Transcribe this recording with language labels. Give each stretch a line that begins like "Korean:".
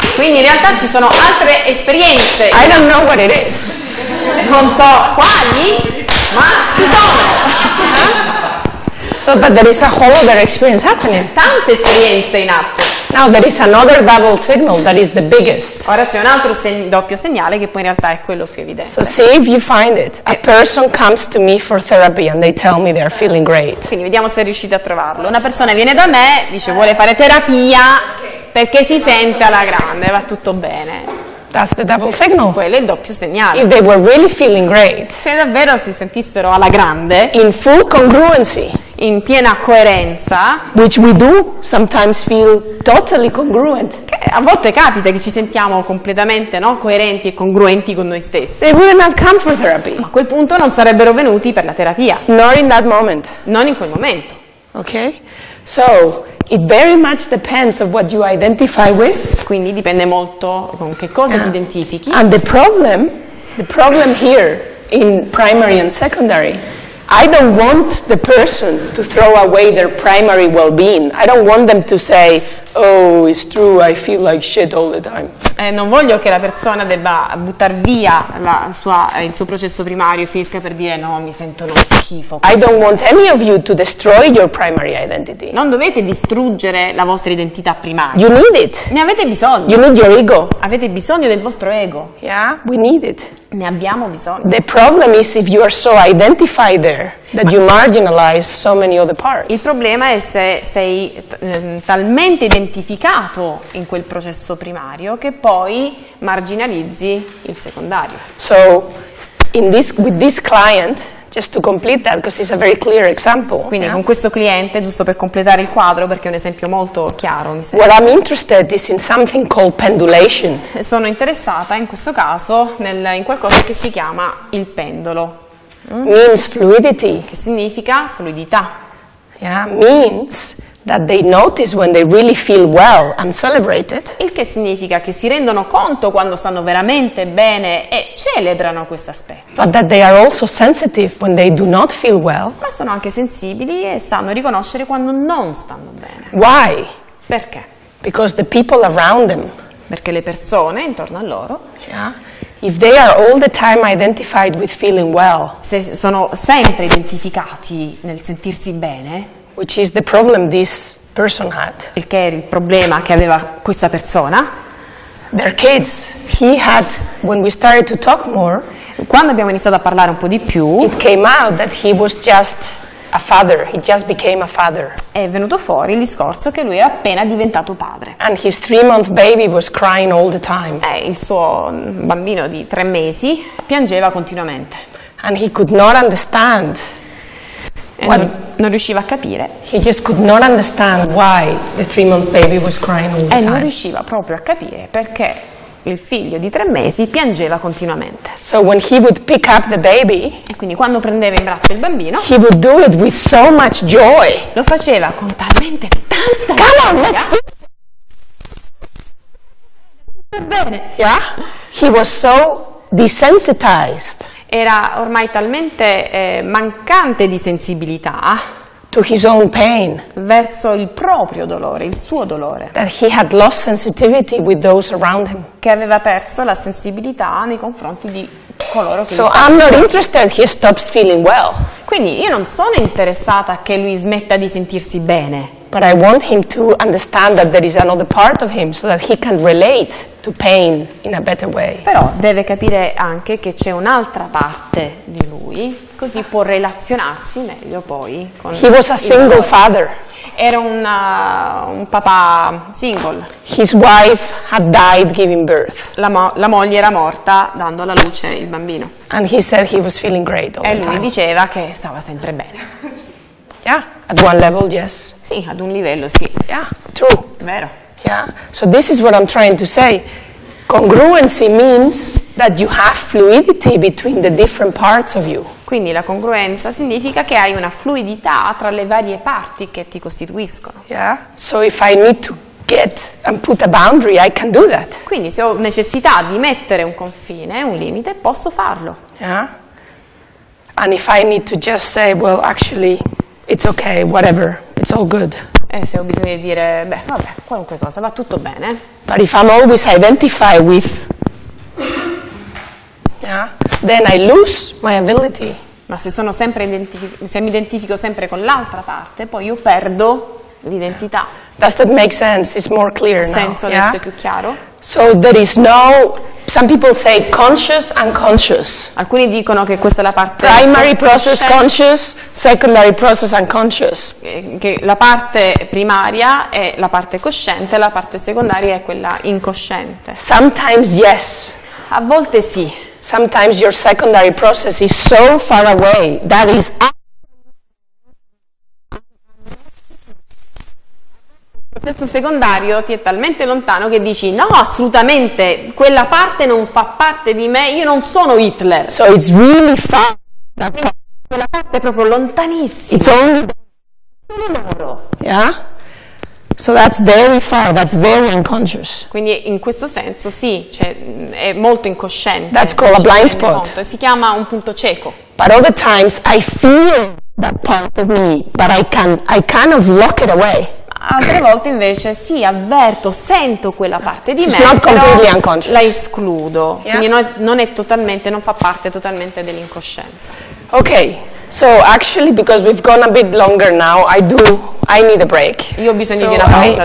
Italian: Quindi in realtà ci sono altre esperienze.
English: I don't know what it is.
Italian: Non so quali, ma ci sono.
English: So, but there is a whole other experience happening.
Italian: Tante esperienze in atto.
English: Now there is another double signal that is the biggest.
Italian: Ora c'è un altro doppio segnale che poi in realtà è quello più evidente.
English: So see if you find it. A person comes to me for therapy and they tell me they are feeling great.
Italian: Quindi vediamo se riuscite a trovarlo. Una persona viene da me, dice vuole fare terapia perché si sente alla grande, va tutto bene.
English: That's the double signal.
Italian: Quello è il doppio segnale.
English: If they were really feeling great.
Italian: Se davvero si sentissero alla grande.
English: In full congruency.
Italian: In piena coerenza.
English: Which we do sometimes feel totally congruent.
Italian: Che a volte capita che ci sentiamo completamente, no, coerenti e congruenti con noi stessi.
English: They wouldn't have come for therapy.
Italian: Ma a quel punto non sarebbero venuti per la terapia.
English: Not in that moment.
Italian: Non in quel momento.
English: Okay. So. It very much depends on what you identify with.
Italian: Quindi dipende molto con che cosa ti identifichi.
English: And the problem here in primary and secondary, I don't want the person to throw away their primary well-being. I don't want them to say, oh, it's true, I feel like shit all the time.
Italian: Non voglio che la persona debba buttar via il suo processo primario e finisca per dire no, mi sento uno schifo.
English: I don't want any of you to destroy your primary identity.
Italian: Non dovete distruggere la vostra identità primaria.
English: You need it.
Italian: Ne avete bisogno.
English: You need your ego.
Italian: Avete bisogno del vostro ego.
English: Yeah, we need it.
Italian: Ne abbiamo bisogno.
English: The problem is if you are so identified there that you marginalize so many other parts.
Italian: Il problema è se sei talmente identificato in quel processo primario che poi marginalizzi il secondario.
English: So in this with this client, just to complete that because it's a very clear example.
Italian: Quindi con questo cliente, giusto per completare il quadro perché è un esempio molto chiaro, mi sembra.
English: What I'm interested is in something called pendulation.
Italian: Sono interessata in questo caso in qualcosa che si chiama il pendolo.
English: Means fluidity.
Italian: Che significa fluidità.
English: Yeah, means that they notice when they really feel well and celebrate it.
Italian: Il che significa che si rendono conto quando stanno veramente bene e celebrano questo aspetto.
English: But that they are also sensitive when they do not feel well.
Italian: Ma sono anche sensibili e sanno riconoscere quando non stanno bene.
English: Why?
Italian: Perché?
English: Because the people around them.
Italian: Perché le persone intorno a loro.
English: Yeah. If they are all the time identified with feeling well.
Italian: Se sono sempre identificati nel sentirsi bene.
English: Which is the problem this person had.
Italian: Il che era il problema che aveva questa persona.
English: Their kids. He had, when we started to talk more,
Italian: quando abbiamo iniziato a parlare un po' di più,
English: it came out that he was just a father. He just became a father.
Italian: È venuto fuori il discorso che lui era appena diventato padre.
English: And his 3-month baby was crying all the time.
Italian: Il suo bambino di 3 mesi piangeva continuamente.
English: And he could not understand.
Italian: Non riusciva a capire.
English: He just could not understand why the 3-month baby was crying all the time.
Italian: E non riusciva proprio a capire perché il figlio di 3 mesi piangeva continuamente.
English: So when he would pick up the baby,
Italian: e quindi quando prendeva in braccio il bambino,
English: he would do it with so much joy.
Italian: Lo faceva con talmente tanta gioia.
English: Yeah? He was so desensitized.
Italian: Era ormai talmente mancante di sensibilità
English: to his own pain,
Italian: verso il proprio dolore, il suo dolore,
English: that he had lost sensitivity with those around him.
Italian: Che aveva perso la sensibilità nei confronti di coloro che so gli stavano.
English: I'm not interested he stops feeling well.
Italian: Quindi io non sono interessata che lui smetta di sentirsi bene.
English: But I want him to understand that there is another part of him so that he can relate to pain in a better way.
Italian: Però deve capire anche che c'è un'altra parte di lui, così può relazionarsi meglio poi con
English: He was a single father.
Italian: Era un papà single.
English: His wife had died giving birth.
Italian: La moglie era morta dando alla luce il bambino.
English: And he said he was feeling great all the time.
Italian: E lui diceva che stava sempre bene.
English: Yeah, at one level, yes.
Italian: Sì, ad un livello, sì.
English: Yeah, true.
Italian: Vero.
English: Yeah, so this is what I'm trying to say. Congruency means that you have fluidity between the different parts of you.
Italian: Quindi la congruenza significa che hai una fluidità tra le varie parti che ti costituiscono.
English: Yeah, so if I need to get and put a boundary, I can do that.
Italian: Quindi se ho necessità di mettere un confine, un limite, posso farlo.
English: Yeah, and if I need to just say, well, actually, it's okay, whatever, it's all good.
Italian: E se ho bisogno di dire, beh, vabbè, qualunque cosa, va tutto bene.
English: But if I'm always identified with, yeah, then I lose my ability.
Italian: Ma se sono sempre se mi identifico sempre con l'altra parte, poi io perdo l'identità.
English: Does that make sense? It's more clear now.
Italian: Senso adesso, yeah? È più chiaro.
English: So there is no, some people say conscious and unconscious.
Italian: Alcuni dicono che questa è la parte
English: primary process conscious, secondary process unconscious.
Italian: Che la parte primaria è la parte cosciente, la parte secondaria è quella incosciente.
English: Sometimes yes.
Italian: A volte sì.
English: Sometimes your secondary process is so far away that is
Italian: secondario ti è talmente lontano che dici no, assolutamente quella parte non fa parte di me, io non sono Hitler.
English: So it's really far,
Italian: quella parte è proprio lontanissima.
English: It's only
Italian: loro.
English: Yeah? So that's very far, that's very unconscious.
Italian: Quindi in questo senso sì, cioè, è molto incosciente.
English: That's called a blind spot.
Italian: Si chiama un punto cieco.
English: But other times I feel that part of me, but I kind of lock it away.
Italian: Altre volte invece sì, avverto, sento quella parte di me, però la escludo. Yeah? Quindi non è totalmente, non fa parte totalmente dell'incoscienza.
English: Ok, so actually because we've gone a bit longer now, I need a break.
Italian: Io ho bisogno di una pausa adesso,